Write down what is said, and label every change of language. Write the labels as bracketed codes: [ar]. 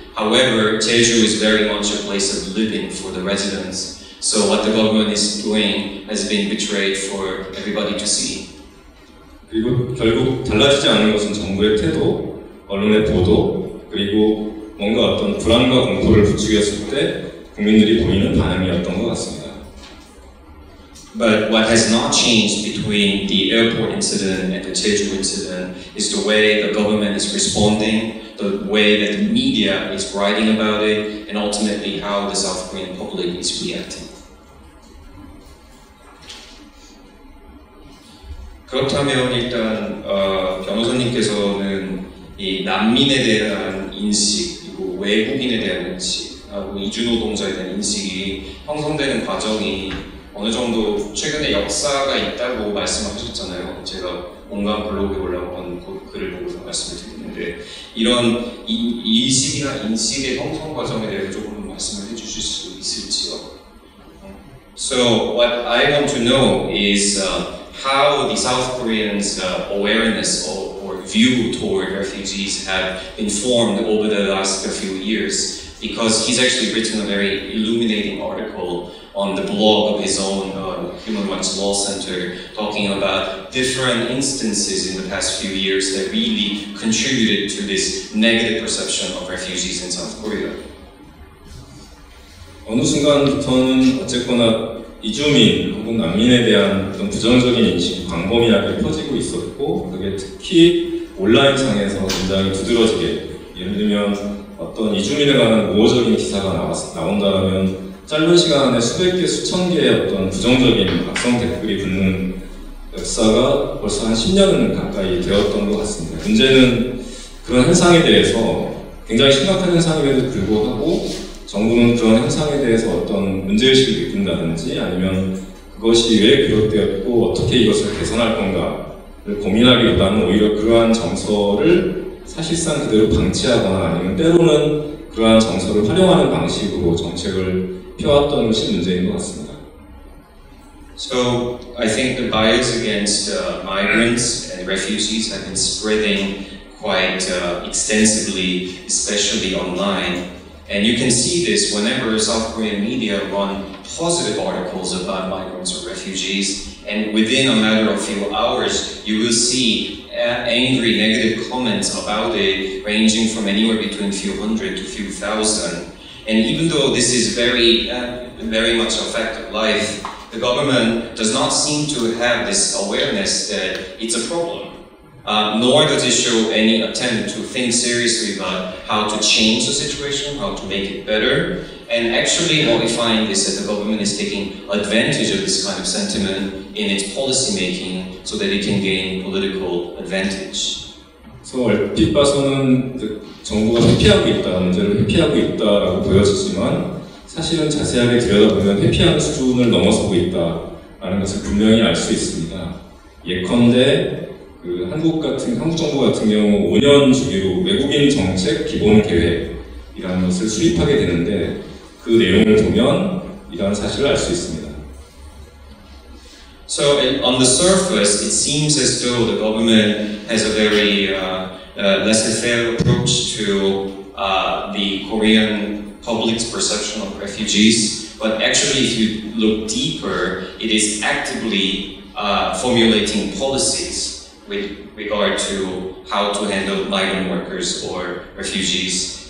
[en] However, Jeju is very much a place of living for the residents. So what the government is doing has been betrayed for everybody to see. [ko] 그리고 결국 달라지지 않은 것은 정부의 태도, 언론의 보도, 그리고 뭔가 어떤 불안과 공포를 부추겼을 때 국민들이 보이는 반응이었던 것 같습니다. [en] But what has not changed between the airport incident and the Jeju incident is the way the government is responding, the way that the media is writing about it, and ultimately how the South Korean public is reacting. [ko] 그렇다면 일단 변호사님께서는 이 난민에 대한 인식 그리고 외국인에 대한 인식, 이주노동자에 대한 인식이 형성되는 과정이 어느 정도 최근에 역사가 있다고 말씀하셨잖아요. 제가 온갖 블로그에 올라온 글을 보고서 말씀을 드리는데 이런 인식이나 인식의 형성 과정에 대해서 조금 말씀을 해주실 수 있을지요? [en] So what I want to know is how the South Koreans' awareness or view toward refugees have been formed over the last few years. Because he's actually written a very illuminating article on the blog of his own Human Rights Law Center, talking about different instances in the past few years that really contributed to this negative perception of refugees in South Korea. [ko] 어느 순간부터는 어쨌거나 이주민 혹은 난민에 대한 어떤 부정적인 인식이 광범위하게 퍼지고 있었고, 그게 특히 온라인상에서 굉장히 두드러지게, 예를 들면 어떤 이주민에 관한 우호적인 기사가 나온다면 짧은 시간 안에 수백 개, 수천 개의 어떤 부정적인 악성 댓글이 붙는 역사가 벌써 한 10년 가까이 되었던 것 같습니다. 문제는 그런 현상에 대해서 굉장히 심각한 현상임에도 불구하고 정부는 그런 현상에 대해서 어떤 문제의식을 느낀다든지 아니면 그것이 왜 그렇되었고 어떻게 이것을 개선할 건가를 고민하기보다는 오히려 그러한 정서를 사실상 그대로 방치하거나 아니면 때로는 그러한 정서를 활용하는 방식으로 정책을 펴왔던 것이 문제인 것 같습니다. [en] So I think the bias against migrants and refugees have been spreading quite extensively, especially online. And you can see this whenever South Korean media run positive articles about migrants or refugees, and within a matter of few hours, you will see angry negative comments about it ranging from anywhere between few hundred to few thousand. And even though this is very, very much a fact of life, the government does not seem to have this awareness that it's a problem. Nor does it show any attempt to think seriously about how to change the situation, how to make it better. And actually what we find is that the government is taking advantage of this kind of sentiment in its policy making so that it can gain political advantage. [ko] So 얼핏 봐서는 정부가 회피하고 있다, 문제를 회피하고 있다라고 보여지지만 사실은 자세하게 들여다보면 회피하는 수준을 넘어서고 있다라는 것을 분명히 알 수 있습니다. 예컨대 그 한국 정부 같은 경우 5년 주기로 외국인 정책 기본 계획이라는 것을 수립하게 되는데 그 내용을 보면 이러한 사실을 알 수 있습니다. [en] So on the surface, it seems as though the government has a very laissez-faire approach to the Korean public's perception of refugees. But actually, if you look deeper, it is actively formulating policies with regard to how to handle migrant workers or refugees.